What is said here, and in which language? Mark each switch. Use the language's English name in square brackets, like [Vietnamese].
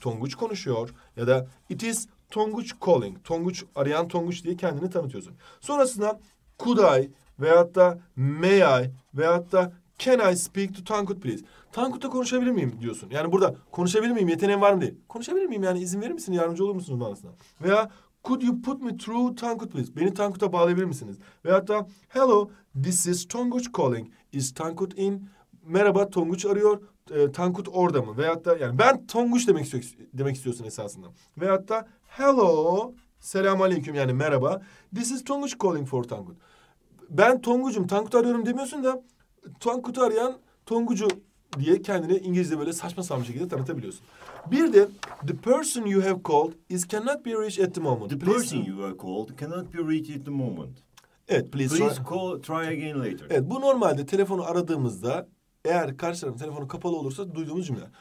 [Turkish] Tonguç konuşuyor ya da [English] it is Tonguç calling. [Turkish] Tonguç arayan Tonguç diye kendini tanıtıyorsun. Sonrasında [English] could I [Turkish] veyahut da [English] may I [Turkish] veyahut da [English] can I speak to Tonguç please? [Turkish] Tankut'ta konuşabilir miyim diyorsun. Yani burada konuşabilir miyim, yeteneğim var mı diye. Konuşabilir miyim yani izin verir misin, yardımcı olur musunuz bana aslında? Veya [English] could you put me through Tankut please? [Turkish] Beni Tankut'a bağlayabilir misiniz? Veyahut da [English] hello this is Tonguç calling. Is Tankut in? [Turkish] Merhaba Tonguç arıyor. Tankut orada mı? Veyahut da yani ben Tonguç demek istiyorsun esasında. Veyahut da hello selam aleyküm yani merhaba. [English] This is Tonguç calling for Tankut. [Turkish] Ben Tonguç'um Tankut arıyorum demiyorsun da Tankut'u arayan Tonguç'u diye kendini İngilizce böyle saçma sapan şekilde tanıtabiliyorsun. Bir de [English] the person you have called is cannot be reached at the moment. The person you have called cannot be reached at the moment. [Turkish] Evet, [English] please call try again later. [Turkish] Evet, bu normalde telefonu aradığımızda eğer karşı tarafın telefonu kapalı olursa duyduğumuz cümle.